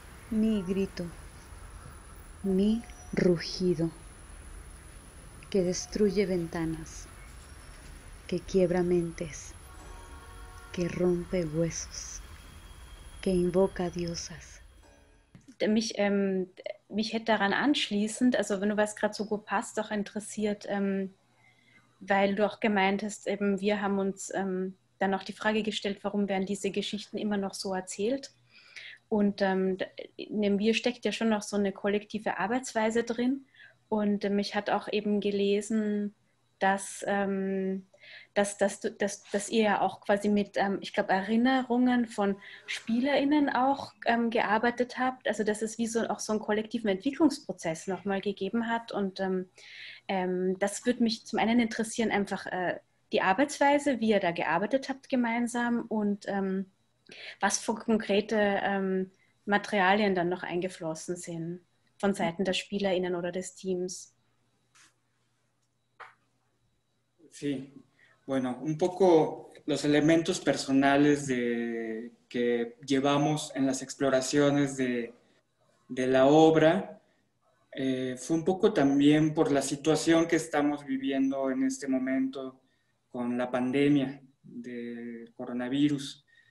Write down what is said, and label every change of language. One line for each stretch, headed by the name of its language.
Spanish: Mi grito, mi rugido, que destruye ventanas, que quiebra mentes, que rompe huesos, que invoca diosas. De mich,
German: mich hätte daran anschließend, also wenn du was gerade so gut passt, doch interessiert, weil du auch gemeint hast, eben wir haben uns dann auch die Frage gestellt, warum werden diese Geschichten immer noch so erzählt? Und in mir steckt ja schon noch so eine kollektive Arbeitsweise drin. Und mich hat auch eben gelesen, dass ihr ja auch quasi mit, ich glaube, Erinnerungen von SpielerInnen auch gearbeitet habt. Also dass es wie so auch so einen kollektiven Entwicklungsprozess nochmal gegeben hat. Und das würde mich zum einen interessieren, einfach die Arbeitsweise, wie ihr da gearbeitet habt gemeinsam und was für konkrete Materialien dann noch eingeflossen sind von Seiten der SpielerInnen oder des Teams.
Spanish: Sí, bueno, un poco los elementos personales de, que llevamos en las exploraciones de la obra fue un poco también por la situación que estamos viviendo en este momento con la pandemia del coronavirus.